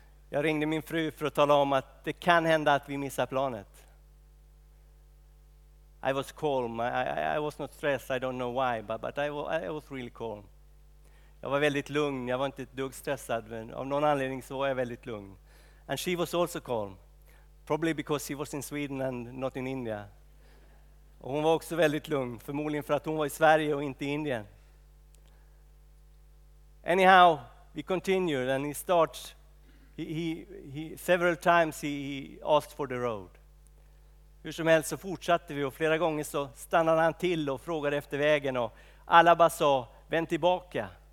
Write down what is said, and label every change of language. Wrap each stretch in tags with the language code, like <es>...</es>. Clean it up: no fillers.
<sv>Jag ringde min fru för att tala om att det kan hända att vi missar planet.</sv> <en>I was calm. I was not stressed. I don't know why, but I was really calm.</en> <sv>Jag var väldigt lugn. Jag var inte ett dugg stressad, men av någon anledning så var jag väldigt lugn.</sv> <en>And she was also calm. Probably because she was in Sweden and not in India.</en> <sv>Och hon var också väldigt lugn, förmodligen för att hon var i Sverige och inte i Indien.</sv> <en>Anyhow, we continued and he starts. He several times he asked for the road.</en> <sv>Hur som helst så fortsatte vi och flera gånger så stannade han till och frågade efter vägen och alla bara sa vänd tillbaka.</sv>